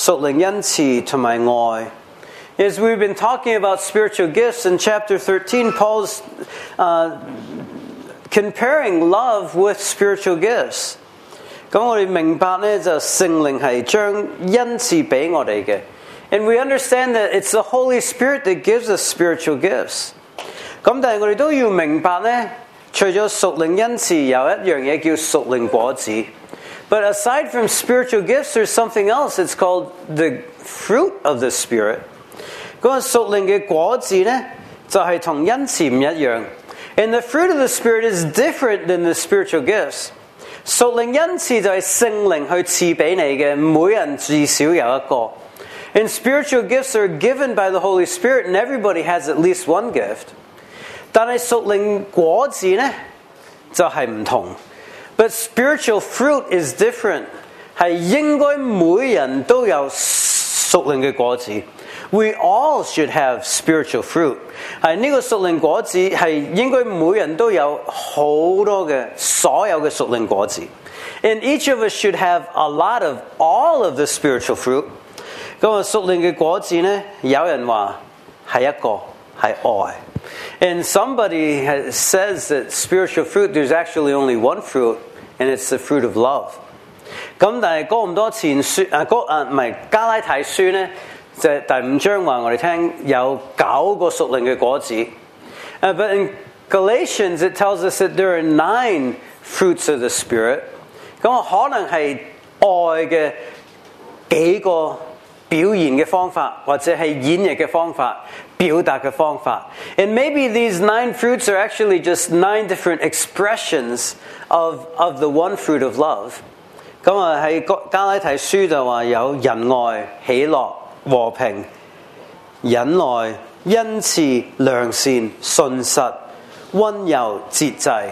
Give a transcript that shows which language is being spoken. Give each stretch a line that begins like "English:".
English: As we've been talking about spiritual gifts in chapter 13, Paul's comparing love with spiritual gifts.
Cantonese: 咁我哋明白咧，就圣灵系将恩赐俾我哋嘅。
English: And we understand that it's the Holy Spirit that gives us spiritual gifts.
Cantonese: 咁但系我哋都要明白咧，除咗属灵恩赐，有一样嘢叫属灵果子。
English: But aside from spiritual gifts, there's something else. It's called the fruit of the Spirit.
Cantonese: 属灵的果子呢，就是同恩赐不一样。
English: And the fruit of the Spirit is different than the spiritual gifts.
Cantonese: 属灵恩赐就是圣灵去赐给你的，每人至少有一个。
English: And spiritual gifts are given by the Holy Spirit, and everybody has at least one gift.
Cantonese: 但是属灵果子呢，就是不同。
English: But spiritual fruit is different.
Cantonese: 是应该每人都有属灵的果子。
English: We all should have spiritual fruit.
Cantonese: 是这个属灵果子是应该每人都有好多的所有的属灵果子。
English: And each of us should have a lot of all of the spiritual fruit.
Cantonese: 那么属灵的果子呢，有人说是一个，是爱。
English: And somebody says that spiritual fruit, there's actually only one fruit, and it's the fruit of love.
Cantonese: 咁但系哥林多前书啊，哥啊唔系加拉太书咧，就第五章话我哋听有九个属灵嘅果子。
English: But in Galatians, it tells us that there are nine fruits of the Spirit.
Cantonese: 咁可能系爱的几个表现的方法，或者是演绎的方法，表达的方法。
English: And maybe these nine fruits are actually just nine different expressions of the one fruit of love.
Cantonese: 咁啊，喺加拉提书就话有仁爱、喜乐、和平、忍耐、恩慈、良善、信实、温柔、节制。